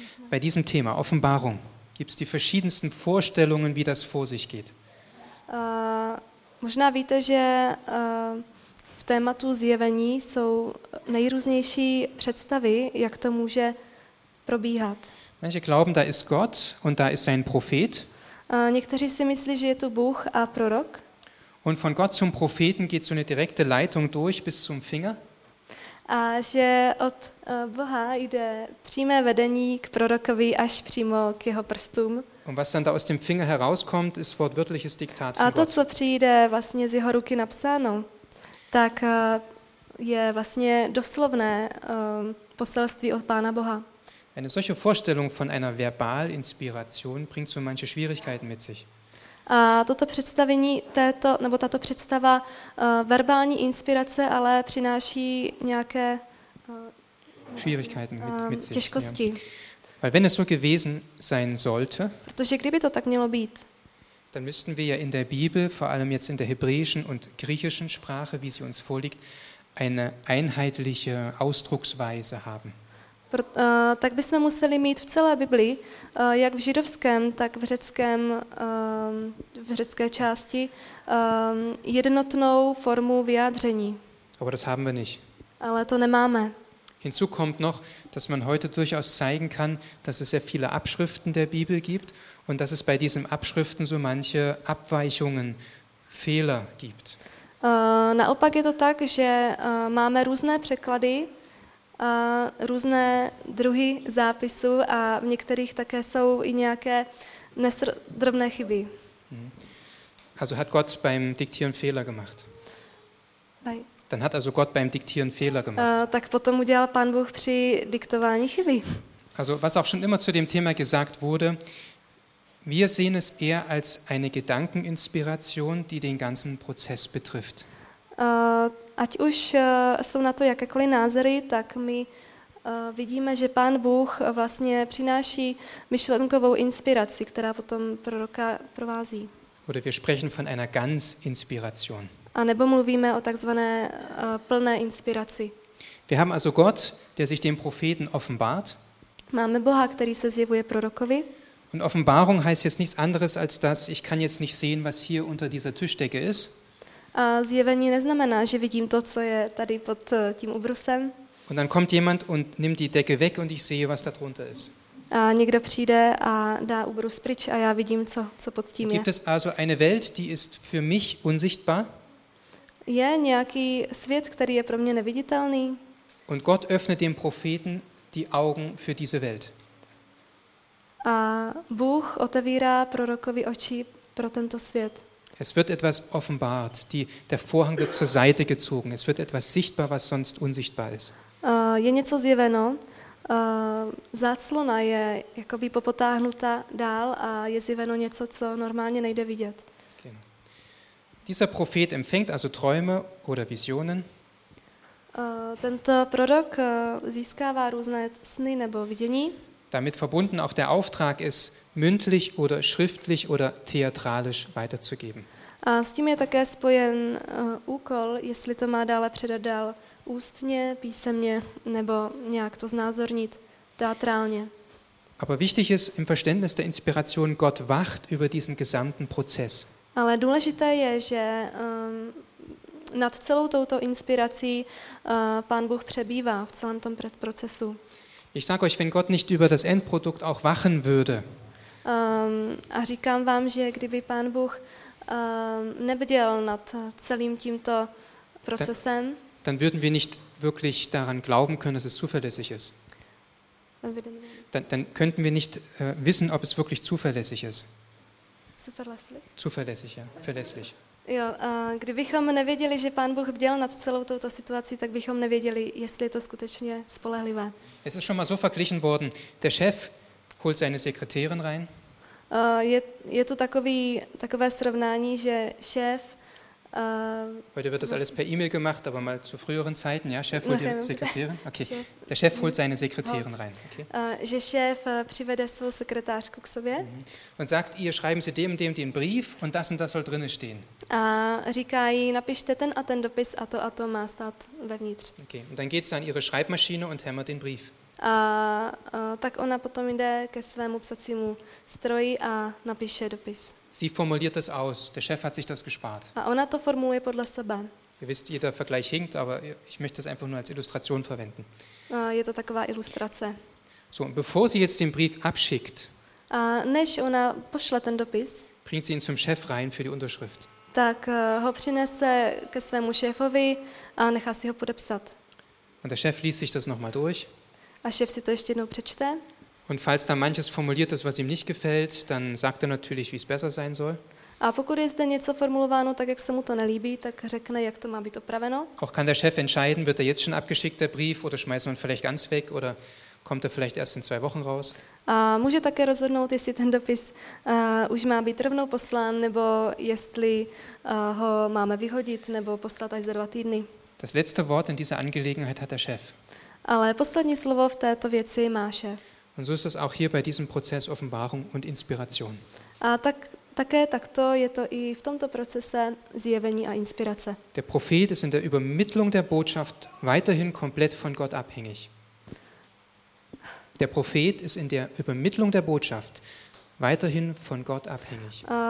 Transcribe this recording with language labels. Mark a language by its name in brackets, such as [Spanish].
[German] Bei diesem Thema Offenbarung gibt es die verschiedensten Vorstellungen, wie das vor sich geht. [Czech] Možná víte, že v tématu zjevení jsou nejrůznější představy, jak to může probíhat. [German] Manche glauben, da ist Gott und da ist sein Prophet. [Czech] Někteří si myslí, že je tu Bůh a prorok. [German] Und von Gott zum Propheten geht so eine direkte Leitung durch bis zum Finger. [Czech] A že od Boha jde přímé vedení k prorokovi až přímo k jeho prstům. [German] Und was dann da aus dem Finger herauskommt, ist wortwörtliches Diktat von Gott. [Czech] A to, co přijde vlastně z jeho ruky napsáno, tak je vlastně doslovné poselství od Pána Boha. [German] Eine solche Vorstellung von einer Verbalinspiration bringt so manche Schwierigkeiten mit sich. [Czech] A toto představení této, nebo tato představa verbální inspirace, ale přináší nějaké [German] Schwierigkeiten mit sich, [Czech] těžkosti. [German] Ja. Weil wenn es so gewesen sein sollte, [Czech] protože kdyby to tak mělo být, [German] dann müssten wir ja in der Bibel, vor allem jetzt in der hebräischen und griechischen Sprache, wie sie uns vorliegt, eine einheitliche Ausdrucksweise haben. [Czech] Tak bychom museli mít v celé Biblii, jak v židovském, tak v řeckém, v řecké části, jednotnou formu vyjádření. [German] Aber das haben wir nicht. [Czech] Ale to nemáme. [German] Hinzu kommt noch, dass man heute durchaus zeigen kann, dass es sehr viele Abschriften der Bibel gibt und dass es bei diesen Abschriften so manche Abweichungen, Fehler gibt. [Czech] Naopak je to tak, že máme různé překlady, různé druhy zápisů a v některých také jsou i nějaké drobné chyby. [German] Also hat Gott beim Diktieren Fehler gemacht. Dann hat also Gott beim Diktieren Fehler gemacht. [Czech] Tak potom udělal Pán Bůh při diktování chyby. [German] Also was auch schon immer zu dem Thema gesagt wurde, wir sehen es eher als eine Gedankeninspiration, die den ganzen Prozess betrifft. [Czech] Ať už jsou na to jakékoliv názory, tak my vidíme, že Pán Bůh vlastně přináší myšlenkovou inspiraci, která potom proroka provází. [German] Oder wir sprechen von einer Ganzinspiration. [Czech] A nebo mluvíme o takzvané plné inspiraci. [German] Wir haben also Gott, der sich dem Propheten offenbart. [Czech] Máme Boha, který se zjevuje prorokovi. [German] Und Offenbarung heißt jetzt nichts anderes als das, ich kann jetzt nicht sehen, was hier unter dieser Tischdecke ist. [Czech] A zjevení neznamená, že vidím to, co je tady pod tím ubrusem. [German] Und dann kommt jemand und nimmt die Decke weg und ich sehe, was da drunter ist. [Czech] A někdo přijde a dá ubrus pryč a já vidím, co pod tím je. [German] Gibt es also eine Welt, die ist für mich unsichtbar? [Czech] Je nějaký svět, který je pro mě neviditelný? [German] Und Gott öffnet dem Propheten die Augen für diese Welt. [Czech] A Bůh otevírá prorokovi oči pro tento svět. [German] Es wird etwas offenbart, der Vorhang wird zur Seite gezogen. Es wird etwas sichtbar, was sonst unsichtbar ist. [Czech] Je něco zjeveno. Záclona je jakoby popotáhnuta dál a je zjeveno něco, co normálně nejde vidět. [German] Okay. Dieser Prophet empfängt also Träume oder Visionen. [Czech] Tento prorok získává různé sny nebo vidění. [German] Damit verbunden auch der Auftrag ist, mündlich oder schriftlich oder theatralisch weiterzugeben. [Czech] A s tím je také spojen úkol, jestli to má dále předat dál ústně, písemně nebo nějak to znázornit teatrálně. [German] Aber wichtig ist im Verständnis der Inspiration, Gott wacht über diesen gesamten Prozess. [Czech] Ale důležité je, že nad celou touto inspirací Pán Bůh přebývá v celém tom procesu. [German] Ich sage euch, wenn Gott nicht über das Endprodukt auch wachen würde. [Czech] A říkám vám, že kdyby Pán Bůh nebděl nad celým tímto procesem, [German] dann würden wir nicht wirklich daran glauben können, dass es zuverlässig ist. Dann könnten wir nicht wissen, ob es wirklich zuverlässig ist. Zuverlässig, ja, verlässlich. [Czech] Jo, kdybychom nevěděli, že Pán Bůh bděl nad celou touto situací, tak bychom nevěděli, jestli je to skutečně spolehlivé. [German] Es ist schon mal so verglichen worden. Der Chef holt seine Sekretärin rein. [Czech] Je tu takové srovnání, že šéf [German] heute wird das alles per E-Mail gemacht, aber mal zu früheren Zeiten, ja, Chef holt die Sekretärin. Okay. Der Chef holt seine Sekretärin rein, okay? [Czech] Že šéf přivede svou sekretářku k sobě. [German] Und sagt ihr, schreiben Sie dem und dem den Brief und das soll drinne stehen. [Czech] A říká jí, napište ten a ten dopis a to má stát vevnitř. [German] Okay. Und dann geht's an ihre Schreibmaschine und hämmert den Brief. [Czech] A tak ona potom jde ke svému psacímu stroji a napíše dopis. [German] Sie formuliert das aus. Der Chef hat sich das gespart. [Czech] A ona to formuluje podle sebe. [German] Ihr wisst, jeder Vergleich hinkt, aber ich möchte das einfach nur als Illustration verwenden. [Czech] Je to taková ilustrace. [German] So, bevor sie jetzt den Brief abschickt, [Czech] než ona pošle ten dopis, [German] bringt sie ihn zum Chef rein für die Unterschrift. [Czech] Tak ho přinese ke svému šéfovi a nechá si ho podepsat. [German] Und der Chef liest sich das nochmal durch. [Czech] A šéf si to ještě jednou přečte. [German] Und falls da manches formuliert ist, was ihm nicht gefällt, dann sagt er natürlich, wie es besser sein soll. [Czech] A pokud je zde něco formulováno tak, jak se mu to nelíbí, tak řekne, jak to má být opraveno. [German] Auch kann der Chef entscheiden, wird er jetzt schon abgeschickt, der Brief, oder schmeißt man vielleicht ganz weg, oder kommt er vielleicht erst in 2 Wochen raus. [Czech] A může také rozhodnout, jestli ten dopis už má být rovnou poslán, nebo jestli ho máme vyhodit, nebo poslat až za 2 týdny. [German] Das letzte Wort in dieser Angelegenheit hat der Chef. [Czech] Ale poslední slovo v této věci má šéf. [German] Und so ist es auch hier bei diesem Prozess Offenbarung und Inspiration. [Czech] A tak, také takto je to i v tomto procese zjevení a inspirace. [German] Der Prophet ist in der Übermittlung der Botschaft weiterhin komplett von Gott abhängig. Der Prophet ist in der Übermittlung der Botschaft weiterhin von Gott abhängig.